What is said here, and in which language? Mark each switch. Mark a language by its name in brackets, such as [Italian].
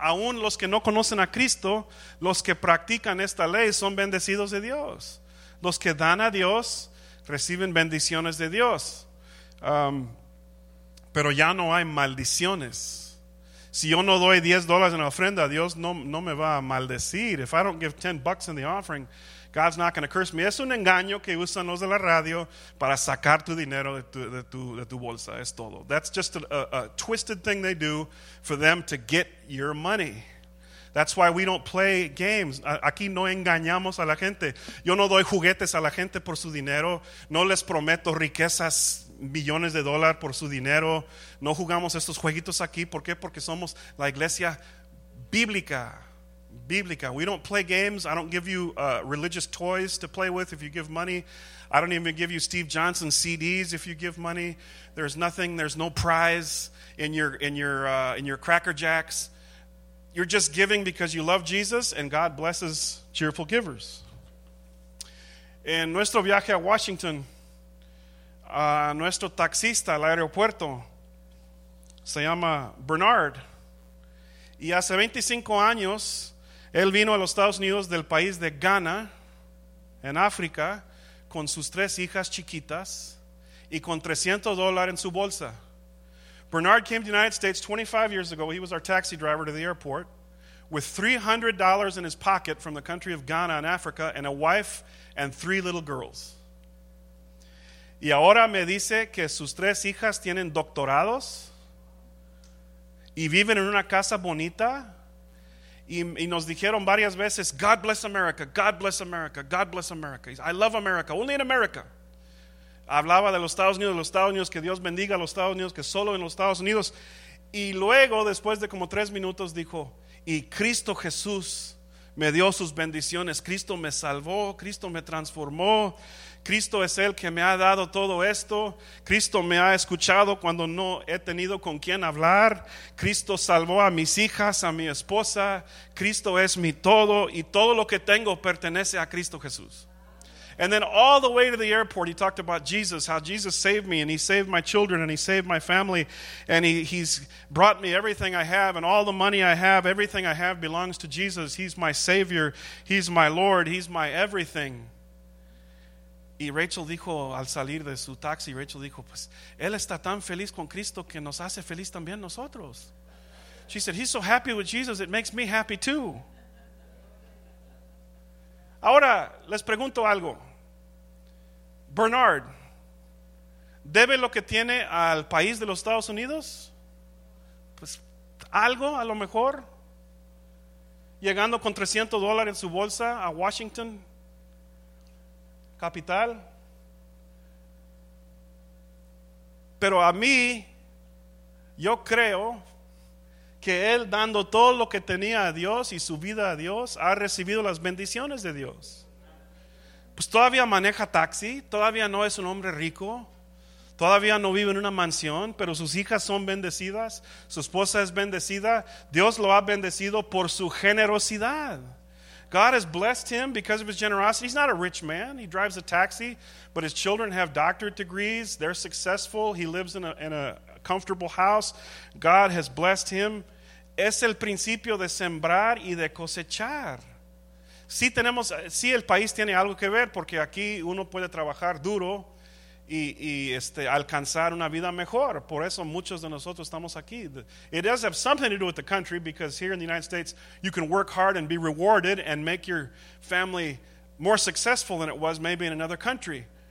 [Spanish] Aún los que no conocen a Cristo, los que practican esta ley son bendecidos de Dios. Los que dan a Dios reciben bendiciones de Dios. Pero ya no hay maldiciones. Si yo no doy $10 en la ofrenda, Dios no me va a maldecir. [English] If I don't give 10 bucks in the offering, God's not going to curse me. [Spanish] Es un engaño que usan los de la radio para sacar tu dinero de tu bolsa. Es todo. [English] That's just a twisted thing they do for them to get your money. That's why we don't play games. [Spanish] Aquí no engañamos a la gente. Yo no doy juguetes a la gente por su dinero. No les prometo riquezas. Millones de dólares por su dinero. No jugamos estos jueguitos aquí. ¿Por qué? Porque somos la iglesia bíblica. Bíblica. [English] We don't play games. I don't give you religious toys to play with if you give money. I don't even give you Steve Johnson CDs if you give money. There's nothing. There's no prize in your Cracker Jacks. You're just giving because you love Jesus and God blesses cheerful givers. [Spanish] En nuestro viaje a Washington, nuestro taxista al aeropuerto se llama Bernard. Y hace 25 años, él vino a los Estados Unidos del país de Ghana, en África, con sus tres hijas chiquitas y con $300 en su bolsa. [English] Bernard came to the United States 25 years ago. He was our taxi driver to the airport with $300 in his pocket from the country of Ghana in Africa and a wife and three little girls. [Spanish] Y ahora me dice que sus tres hijas tienen doctorados y viven en una casa bonita. Y nos dijeron varias veces, [English] God bless America, God bless America, God bless America. I love America, only in America. [Spanish] Hablaba de los Estados Unidos, que Dios bendiga a los Estados Unidos, que solo en los Estados Unidos. Y luego, después de como tres minutos, dijo, y Cristo Jesús me dio sus bendiciones. Cristo me salvó, Cristo me transformó. Cristo es el que me ha dado todo esto. Cristo me ha escuchado cuando no he tenido con quién hablar. Cristo salvó a mis hijas, a mi esposa. Cristo es mi todo y todo lo que tengo pertenece a Cristo Jesús. [English] And then all the way to the airport, he talked about Jesus, how Jesus saved me and he saved my children and he saved my family and he's brought me everything I have and all the money I have, everything I have belongs to Jesus. He's my Savior, he's my Lord, he's my everything. [Spanish] Y Rachel dijo al salir de su taxi, Rachel dijo, pues él está tan feliz con Cristo que nos hace feliz también nosotros. [English] She said, he's so happy with Jesus, it makes me happy too. [Spanish] Ahora les pregunto algo. Bernard, ¿debe lo que tiene al país de los Estados Unidos? Pues algo a lo mejor. Llegando con $300 en su bolsa a Washington, capital. Pero a mí, yo creo que él, dando todo lo que tenía a Dios y su vida a Dios, ha recibido las bendiciones de Dios. Pues todavía maneja taxi, todavía no es un hombre rico, todavía no vive en una mansión, pero sus hijas son bendecidas, su esposa es bendecida, Dios lo ha bendecido por su generosidad. [English] God has blessed him because of his generosity. He's not a rich man. He drives a taxi, but his children have doctorate degrees. They're successful. He lives in a comfortable house. God has blessed him. [Spanish] Es el principio de sembrar y de cosechar. Sí tenemos, sí el país tiene algo que ver porque aquí uno puede trabajar duro y alcanzar una vida mejor. Por eso muchos de nosotros estamos aquí. [English] It does have something to do with the country because here in the United States you can work hard and be rewarded and make your family more successful than it was maybe in another country.